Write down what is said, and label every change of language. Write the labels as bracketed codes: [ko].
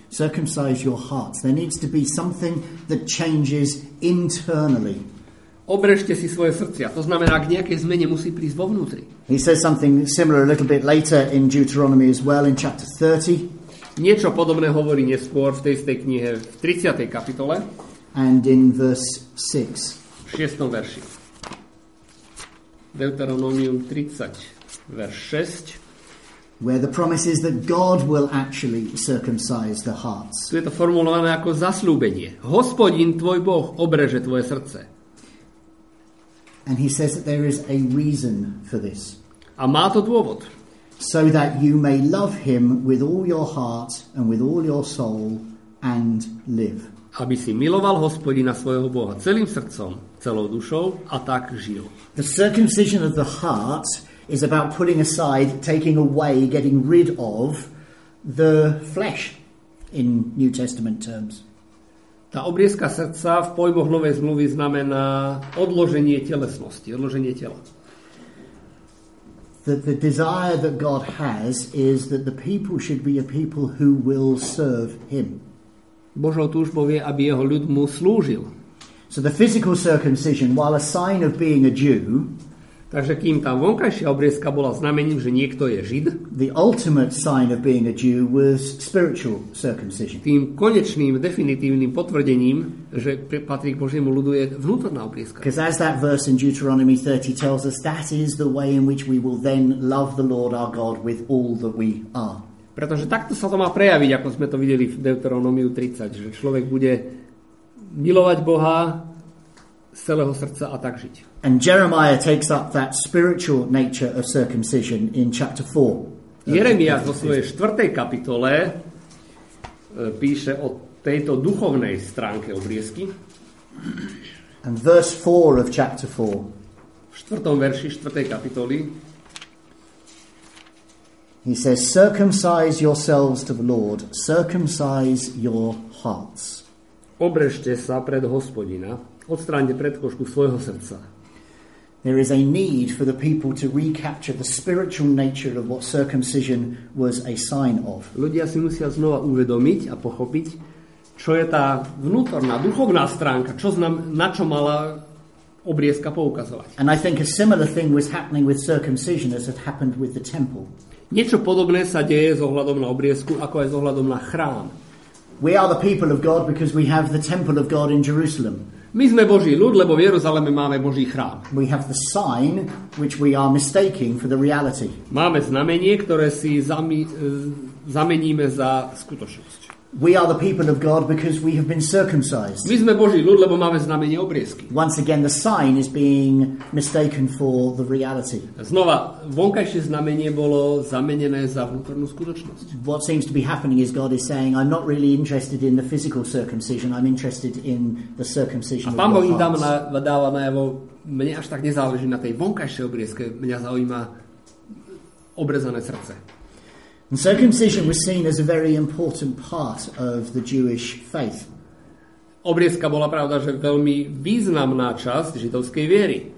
[en] Circumcise your hearts. There needs to be something that changes internally. [sk] Obrežte si svoje srdcia. To znamená, k nejakej zmene musí prísť vo vnútri. [en] He says something similar a little bit later in Deuteronomy as well in chapter 30. [sk] Niečo podobné hovorí neskôr v tej istej knihe v 30. kapitole. [en] And in verse 6. [sk] V 6. verši. Deuteronomium 30. [en] Verse 6. Where the promise is that God will actually circumcise the hearts. [sk] Tu je to formulované ako zasľúbenie. Hospodin, tvoj Boh, obreže tvoje srdce. [en] And he says that there is a reason for this. [sk] A má to dôvod. [en] So that you may love him with all your heart and with all your soul and live. [sk] Aby si miloval Hospodina svojho Boha celým srdcom, celou dušou a tak žil. [en] The circumcision of the heart is about putting aside, taking away, getting rid of the flesh in New Testament terms. [sk] Tá obriezka srdca v pojmoch novej zmluvy znamená odloženie telesnosti, odloženie tela. [en] The desire that God has is that the people should be a people who will serve him. [sk] Božou túžbou je, aby jeho ľud mu slúžil. [en] So the physical circumcision, while a sign of being a Jew, [sk] takže kým tá vonkajšia obriezka bola znamením, že niekto je Žid, [en] the ultimate sign of being a Jew was spiritual circumcision. [sk] Tým konečným, definitívnym potvrdením, že patrí k Božiemu ľudu, je vnútorná obriezka. [en] Because as that verse in Deuteronomy 30 tells us, that is the way in which we will then love the Lord our God with all that we are. [sk] Pretože takto sa to má prejaviť, ako sme to videli v Deuteronomiu 30, že človek bude milovať Boha z celého srdca a tak žiť. [en] And Jeremiah takes up that spiritual nature of circumcision in chapter 4. [sk] Jeremiah vo svojej 4. kapitole píše o tejto duchovnej stránke obriezky. [en] And verse 4 of chapter 4. [sk] V 4. verši 4. kapitoly. [en] He says, circumcise yourselves to the Lord, circumcise your hearts. [sk] Obrežte sa pred Hospodina, odstráňte predkošku svojho srdca. [en] There is a need for the people to recapture the spiritual nature of what circumcision was a sign of. [sk] Ľudia si musia znova uvedomiť a pochopiť, čo je tá vnútorná, duchovná stránka, čo na čo mala obriezka poukazovať. [en] And I think a similar thing was happening with circumcision as it happened with the temple. [sk] Niečo podobné sa deje s ohľadom na obriezku, ako aj s ohľadom na chrám. [en] We are the people of God because we have the temple of God in Jerusalem. [sk] My sme Boží ľud, lebo v Jeruzaleme máme Boží chrám. [en] We have the sign which we are mistaking for the reality. [sk] Máme znamenie, ktoré si zameníme za skutočnosť. [en] We are the people of God because we have been circumcised. [sk] My sme Boží ľud, lebo máme znamenie obriezky. [en] Once again the sign is being mistaken for the reality. [sk] Znova vonkajšie znamenie bolo zamenené za vnútornú skutočnosť. [en] What seems to be happening is God is saying I'm not really interested in the physical circumcision, I'm interested in the circumcision. [sk] A Pán Boh im dáva najavo, mne až tak nezáleží na tej vonkajšej obriezke, mňa zaujíma obrezané srdce. [en] And circumcision was seen as a very important part of the Jewish faith. [sk] Obriezka bola pravda, že veľmi významná časť židovskej viery.